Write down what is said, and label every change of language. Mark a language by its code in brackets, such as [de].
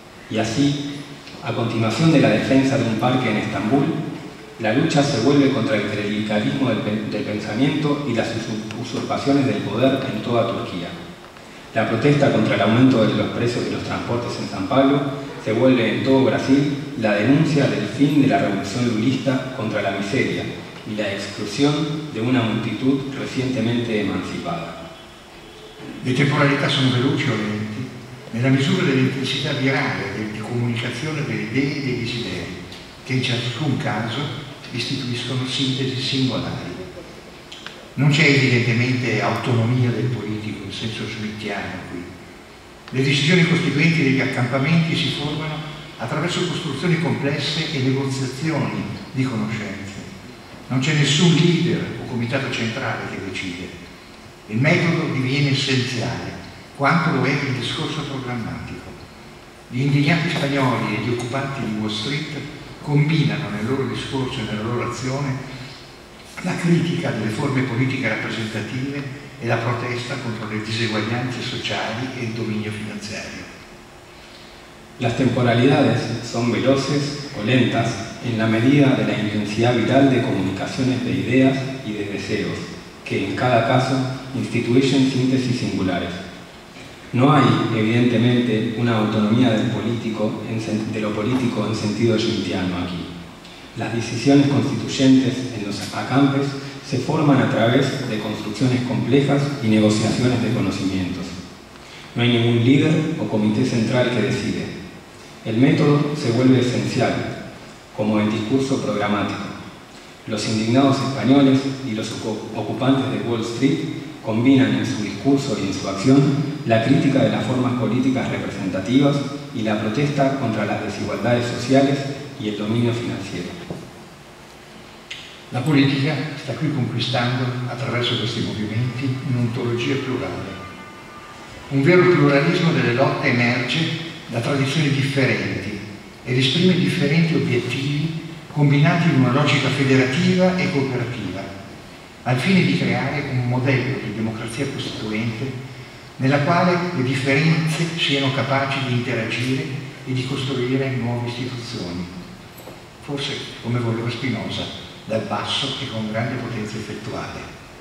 [es] Y así, a continuación de la defensa de un parque en Estambul, la lucha se vuelve contra el clericalismo del pensamiento y las usurpaciones del poder en toda Turquía. La protesta contra el aumento de los precios de los transportes en San Pablo se vuelve en todo Brasil la denuncia del fin de la revolución lulista contra la miseria y la exclusión de una multitud recientemente emancipada. [it] Le temporalità sono veloci o lenti, nella misura dell'intensità virale di comunicazione delle idee e dei desideri, che in ciascun caso istituiscono sintesi singolari. Non c'è evidentemente autonomia del politico in senso smittiano qui. Le decisioni costituenti degli accampamenti si formano attraverso costruzioni complesse e negoziazioni di conoscenze. Non c'è nessun leader o comitato centrale che decide. Il metodo diviene essenziale, quanto lo è il discorso programmatico. Gli indignati spagnoli e gli occupanti di Wall Street combinano nel loro discorso e nella loro azione la critica delle forme politiche rappresentative e la protesta contro le diseguaglianze sociali e il dominio finanziario. [es] Las temporalidades son veloces o lentas en la medida de la intensidad viral de comunicaciones de ideas y de deseos, que en cada caso instituyen síntesis singulares. No hay, evidentemente, una autonomía del político de lo político en sentido yintiano aquí. Las decisiones constituyentes en los acampes se forman a través de construcciones complejas y negociaciones de conocimientos. No hay ningún líder o comité central que decide. El método se vuelve esencial, como el discurso programático. Los indignados españoles y los ocupantes de Wall Street combinan en su discurso y en su acción la crítica de las formas políticas representativas y la protesta contra las desigualdades sociales y el dominio financiero. La política está aquí conquistando, a través de estos movimientos, una ontología plural. [it] Un vero pluralismo [es] de las luchas [it] emerge da [es] tradiciones diferentes y [it] exprime [es] diferentes objetivos [it] combinati in una logica federativa e cooperativa, al fine di creare un modello di democrazia costituente nella quale le differenze siano capaci di interagire e di costruire nuove istituzioni, forse come voleva Spinoza, dal basso e con grande potenza effettuale.